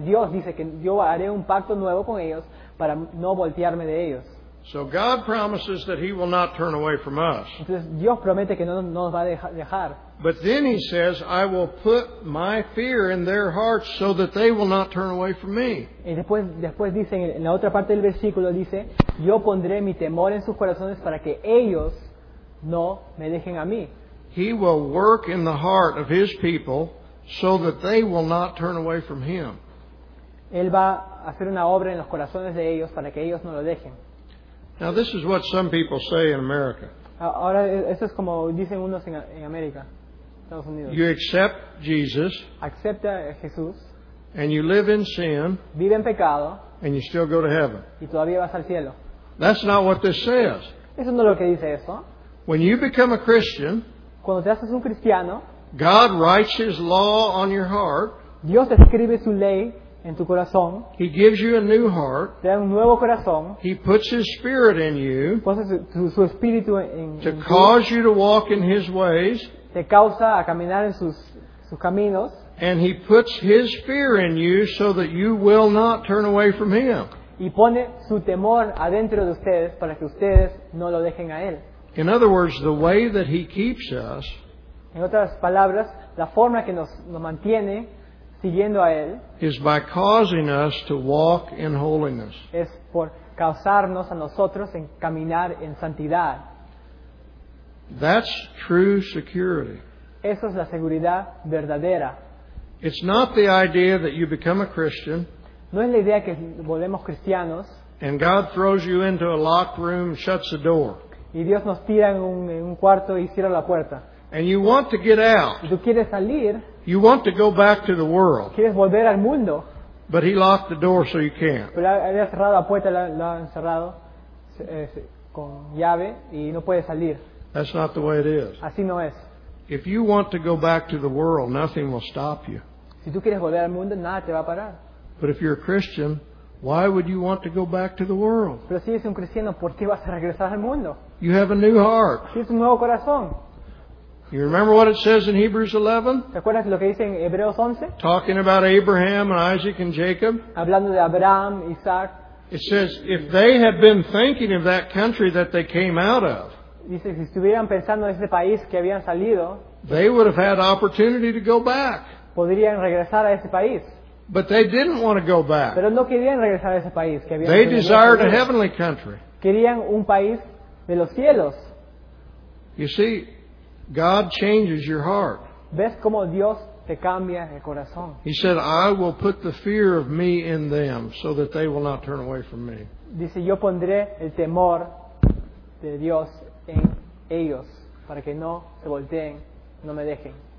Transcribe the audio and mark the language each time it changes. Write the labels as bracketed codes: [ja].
[es] Dios dice que yo haré un pacto nuevo con ellos para no voltearme de ellos. [en] So God promises that he will not turn away from us. [es] Entonces Dios promete que no nos va a dejar. [en] But then he says, I will put my fear in their hearts so that they will not turn away from me. [es] Y después dice, en la otra parte del versículo dice, yo pondré mi temor en sus corazones para que ellos no me dejen a mí. [en] He will work in the heart of his people so that they will not turn away from him. [es] Él va a hacer una obra en los corazones de ellos para que ellos no lo dejen. [en] Now this is what some people say in America. [es] Ahora eso es como dicen unos en América, Estados Unidos. [en] You accept Jesus. [es] Acepta a Jesús. [en] And you live in sin. [es] Vive en pecado. [en] And you still go to heaven. [es] Y todavía vas al cielo. [en] That's not what this says. [es] Eso no es lo que dice eso. [en] When you become a Christian. [es] Cuando te haces un cristiano. [en] God writes His law on your heart. [es] Dios escribe su ley. En tu corazón, [en] he gives you a new heart. [es] Te da un nuevo corazón. [en] He puts His Spirit in you. [es] Pone su espíritu en [en] to cause you to walk in His ways. [es] Te causa a caminar en sus caminos. [en] And He puts His fear in you so that you will not turn away from Him. [es] Y pone su temor adentro de ustedes para que ustedes no lo dejen a Él. [en] In other words, the way that He keeps us. [es] En otras palabras, la forma que nos mantiene. Siguiendo a él, [en] is by causing us to walk in holiness. [es] Es por causarnos a nosotros en caminar en santidad. [en] That's true security. [es] Eso es la seguridad verdadera. [en] It's not the idea that you become a Christian. [es] No es la idea que volvemos cristianos. [en] And God throws you into a locked room and shuts the door. [es] Y Dios nos tira en un cuarto y cierra la puerta. [en] And you want to get out. [es] Y tú quieres salir. [en] You want to go back to the world. [es] Quieres volver al mundo. [en] But he locked the door so you can't. [es] Pero él ha cerrado la puerta, lo ha encerrado con llave y no puede salir. [en] That's not the way it is. [es] Así no es. [en] If you want to go back to the world, nothing will stop you. [es] Si tú quieres volver al mundo, nada te va a parar. [en] But if you're a Christian, why would you want to go back to the world? [es] Pero si eres un cristiano, ¿por qué vas a regresar al mundo? [en] You have a new heart. [es] Tienes un nuevo corazón. [en] You remember what it says in Hebrews 11? [es] ¿Te acuerdas lo que dice en Hebreos 11? [en] Talking about Abraham and Isaac and Jacob. [es] Hablando de Abraham, Isaac. [en] It says, if they had been thinking of that country that they came out of, [es] dice, si estuvieran pensando en ese país que habían salido, [en] they would have had opportunity to go back. [es] Podrían regresar a ese país. [en] But they didn't want to go back. [es] Pero no querían regresar a ese país que habían [en] they [es] salido. [en] Desired a heavenly country. [es] Querían un país de los cielos. [en] You see, God changes your heart. [es] ¿Ves cómo Dios te cambia el corazón? [en] He said, I will put the fear of me in them so that they will not turn away from me. [es] Dice, yo pondré el temor de Dios en ellos para que no se volteen, no me dejen.